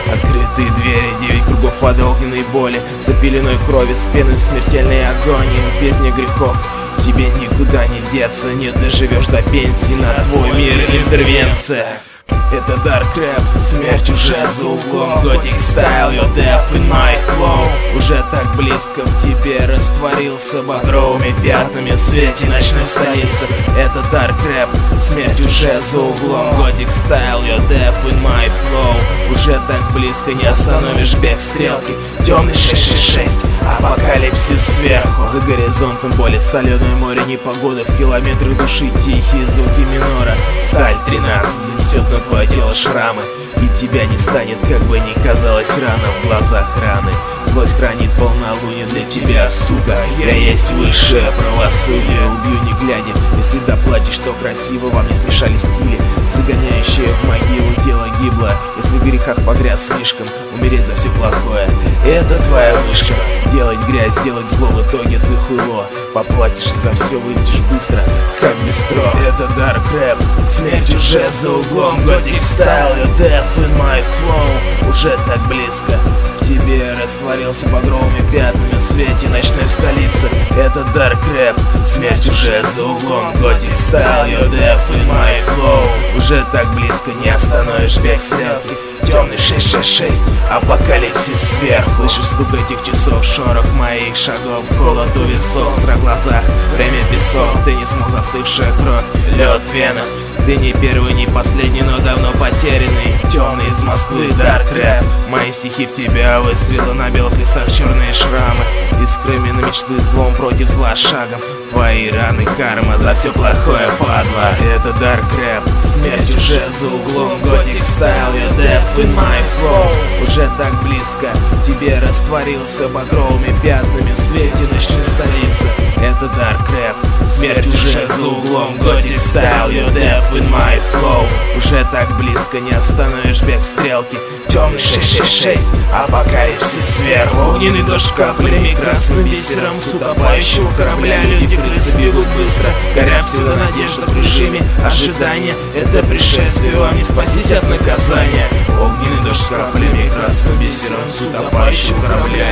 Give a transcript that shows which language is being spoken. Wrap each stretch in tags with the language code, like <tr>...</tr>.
<ru>Открытые двери, девять кругов ада, огненной боли, запеленной крови, с пены смертельной агонии. Без не грехов, тебе никуда не деться, не доживешь до пенсии, на твой мир интервенция. Это Dark Rap, смерть уже за углом.</ru> <en>Gothic style, your death in my flow.</en> <ru>Уже так близко в тебе растворился, багровыми пятнами в свете ночной столицы. Это Dark Rap, смерть уже за углом.</ru> <en>Gothic style, your death in my flow.</en> <ru>Уже так близко, не остановишь бег стрелки. Темный 666, апокалипсис сверху. За горизонтом боли, соленое море, непогода. В километрах души тихие звуки минора. Сталь 13 занесет на твое тело шрамы, и тебя не станет, как бы ни казалось, рано в глазах раны. Власть хранит полнолуние для тебя, сука. Я есть высшее правосудие. Убью не глядя, если доплатишь, то красиво. Во мне смешали стили, загоняющие в могилу. Тело гибло, если грехах погряз слишком. Умереть за все плохое, это твоя вышка. Делать грязь, делать зло, в итоге ты хуло. Поплатишь за все, выйдешь быстро, как бистро. Это Dark Rap, смерть уже за углом.</ru> <en>Gothic style, your death in my flow.</en> <ru>Уже так близко, в тебе растворился багровыми пятнами в свете ночной столицы. Это Dark Rap, смерть уже за углом.</ru> <en>Gothic style, your death in my flow.</en> <ru>Уже так близко, не остановишь бег стрелки. Темный 666, апокалипсис сверху. Слышу стук этих часов, шорох моих шагов, холод у весов, страх в глазах, время песок. Ты не смог, застывшая кровь, лед вена. Ты не первый, не последний, но давно потерянный. Темный из Москвы, Dark Rap. Мои стихи в тебя, выстрелы на белых листах, черные шрамы. Искрами на мечты, злом против зла шагом. Твои раны, карма, за все плохое, падла. Это Dark Rap, смерть уже за углом.</ru> <en>Gothic style, your death in my flow.</en> <ru>Уже так близко, тебе растворился багровыми пятнами в свете ночной столицы. Это Dark Rap, смерть уже за углом.</ru> <en>Gothic style, your death in my flow.</en> <ru>Уже так близко, не остановишь бег стрелки. Темный 666, апокалипсис сверху. Огненный дождь каплями, красным бисером с утопающего корабля. Люди крысы бегут быстро, горя всего надежда в режиме ожидания. Это пришествие, вам не спастись от наказания. Огненный дождь каплями, красным бисером с утопающего корабля.</ru>